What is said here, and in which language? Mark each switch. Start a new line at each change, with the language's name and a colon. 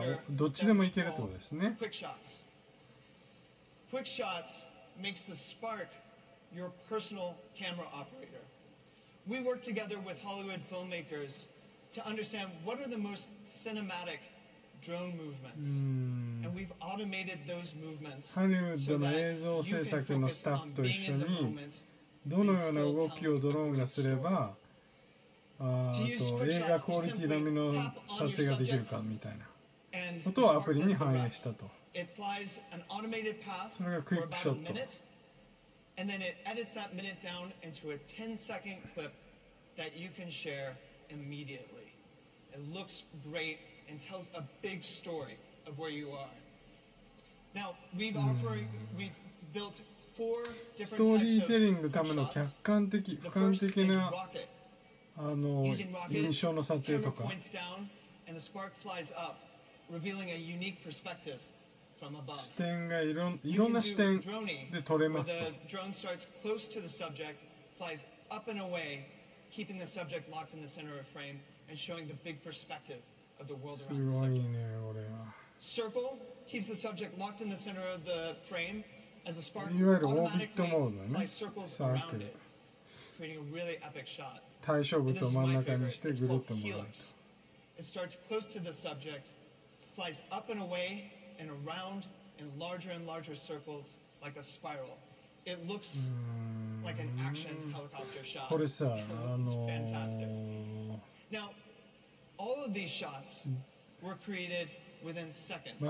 Japanese: どっちでもいけるってことですね。
English: Quick shots makes the Spark your personal camera operator. We work together with Hollywood filmmakers to understand what are the most cinematic drone movements. And we've automated those movements.
Japanese: ハリウッドの映像制作のスタッフと一緒に、どのような動きをドローンがすれば、映画クオリティ並みの撮影ができるかみたいなことをアプリに反映したと。
English: It flies an automated path for about a minute, and then it edits that minute down into a 10-second clip that you can share immediately. It looks great and tells a big story of where you are. Now we've built four different types of quick shots. The first is rocket. Using rocket, camera points down, and the spark flies up, revealing a unique perspective.
Japanese: 視点がいろんな視点で撮れますと。
English: Drone starts close to the subject, flies up and away, keeping the subject locked in the center of frame and showing the big perspective of the world around the subject.
Japanese: すごいね、これは。
English: Circle keeps the subject locked in the center of the frame as the spark automatically flies circles around it, creating a really epic shot.
Japanese: 対象物を真ん中にしてぐるっと回ると。
English: It starts close to the subject, flies up and away. And around in larger and larger circles, like a spiral. It looks like an action helicopter shot.
Japanese: これさ、
English: fantastic. Now, all of these shots were created within seconds.